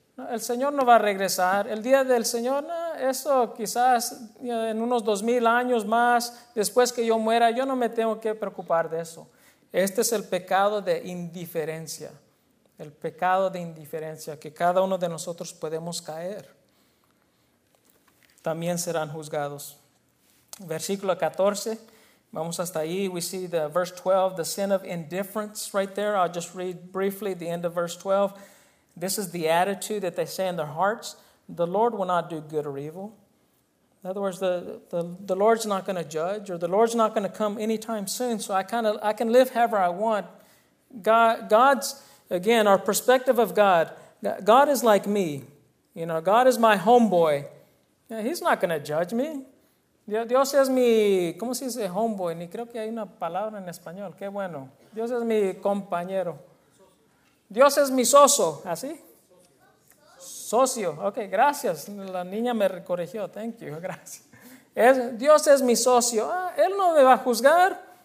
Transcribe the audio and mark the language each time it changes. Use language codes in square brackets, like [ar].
[es] El Señor no va a regresar. El día del Señor, eso quizás en unos 2,000 años más, después que yo muera, yo no me tengo que preocupar de eso. Este es el pecado de indiferencia. El pecado de indiferencia que cada uno de nosotros podemos caer. También serán juzgados. Versículo 14, vamos hasta ahí. [en] We see the verse 12, the sin of indifference right there. I'll just read briefly the end of verse 12. This is the attitude that they say in their hearts. The Lord will not do good or evil. In other words, the Lord's not going to judge, or the Lord's not going to come anytime soon. So I can live however I want. God's, again, our perspective of God. God is like me. You know, God is my homeboy. Yeah, he's not going to judge me. [es] Dios es mi, ¿cómo se dice homeboy? Ni creo que hay una palabra en español. Qué bueno. Dios es mi compañero. Dios es mi socio, ¿así? Socio, ok, gracias. La niña me corrigió, [en] thank you, [es] gracias. Dios es mi socio, él no me va a juzgar.